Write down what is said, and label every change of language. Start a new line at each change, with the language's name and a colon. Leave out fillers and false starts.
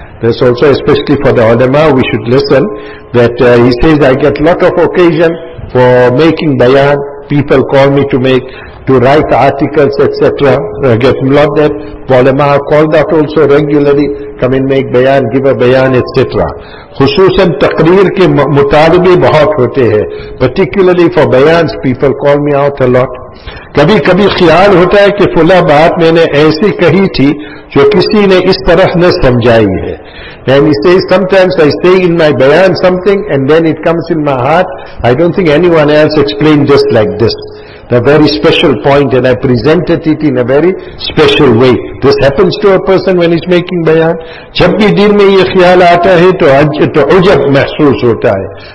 English: That's also especially for the ulama, we should listen. That he says, I get lot of occasion for making bayan. People call me to write articles, etc. Get lot that ulama called out also regularly. Come and make bayan, give a bayan, etc.
Urdu: خصوصاً تقریر کے مطالبے بہت ہوتے ہیں.
English: Particularly for bayans, people call me out a lot.
Urdu: کبھی کبھی خیال ہوتا ہے کہ فلا بات میں نے ایسی کہی تھی جو کسی نے اس طرح نہ سمجھائی ہے.
English: And he says, sometimes I say in my bayan something and then it comes in my heart. I don't think anyone else explained just like this. A very special point, and I presented it in a very special way. This happens to a person when he's making bayan.
Urdu: Jab bhi dil mein ye khayal aata hai, to ujab mehsoos hota hai.